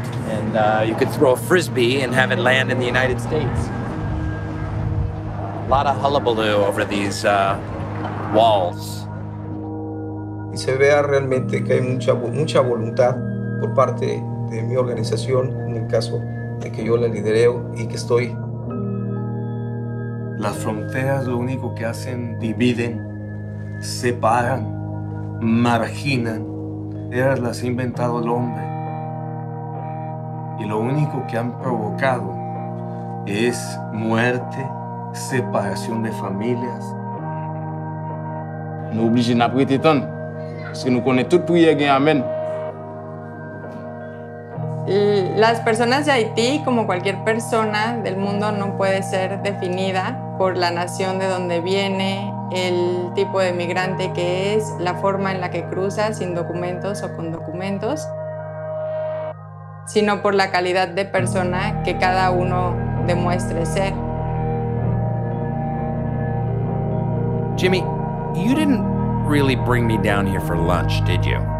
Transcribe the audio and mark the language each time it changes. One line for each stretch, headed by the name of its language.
English: And you could throw a frisbee and have it land in the United States. A lot of hullabaloo over these walls.
Spanish: Y se vea realmente que hay mucha voluntad por parte de mi organización en el caso de que yo la lidereo y que estoy. Las fronteras lo único que hacen dividen, separan, marginan. Ellas las ha inventado el hombre. Y lo único que han provocado es muerte, separación de familias. No obligen a apretar tanto. Si no conoce todo, llegue amén. Las personas de Haití, como cualquier persona del mundo, no puede ser definida por la nación de donde viene, el tipo de migrante que es, la forma en la que cruza, sin documentos o con documentos, sino por la calidad de persona que cada uno demuestre ser.
English: Jimmy, you didn't really bring me down here for lunch, did you?